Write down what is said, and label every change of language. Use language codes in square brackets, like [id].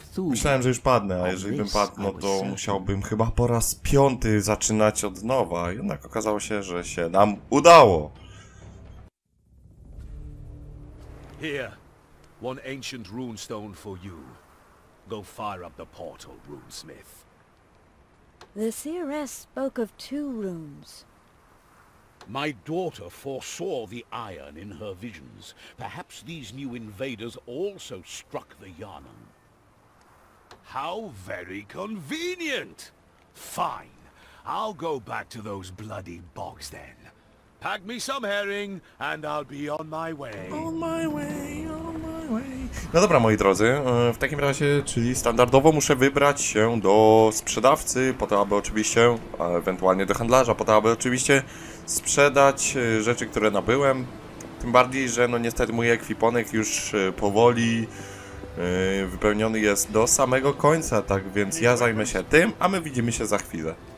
[pl] Myślałem, że już padnę, a jeżeli bym padł, no to musiałbym chyba po raz piąty zaczynać od nowa. Jednak okazało się, że się nam udało. [en] Here, one ancient runestone for you. Go fire up the portal, runesmith. The seeress spoke of two runes. My daughter foresaw the iron in her visions. Perhaps these new invaders also struck the Yharnam. How very convenient! Fine, I'll go back to those bloody bogs then. Pack me some herring and I'll be on my way. On my way, on my way. [pl] No dobra, moi drodzy, w takim razie, czyli standardowo muszę wybrać się do sprzedawcy, po to aby oczywiście, ewentualnie do handlarza, po to aby oczywiście sprzedać rzeczy, które nabyłem. Tym bardziej, że no niestety mój ekwiponek już powoli wypełniony jest do samego końca, tak więc ja zajmę się tym, a my widzimy się za chwilę.